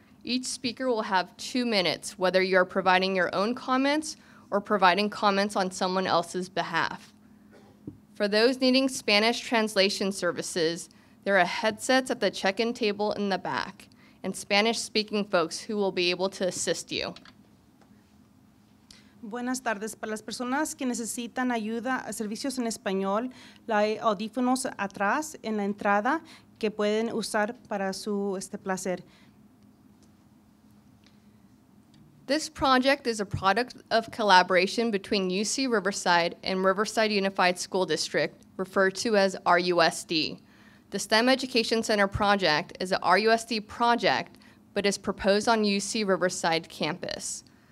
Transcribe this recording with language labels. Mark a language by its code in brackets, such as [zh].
[en] Each speaker will have 2 minutes, whether you're providing your own comments or providing comments on someone else's behalf. For those needing Spanish translation services, there are headsets at the check-in table in the back and Spanish-speaking folks who will be able to assist you. [es] Buenas tardes. Para las personas que necesitan ayuda a servicios en español, hay audífonos atrás en la entrada que pueden usar para su placer. [en] This project is a product of collaboration between UC Riverside and Riverside Unified School District, referred to as RUSD. The STEM Education Center project is a RUSD project, but is proposed on UC Riverside campus.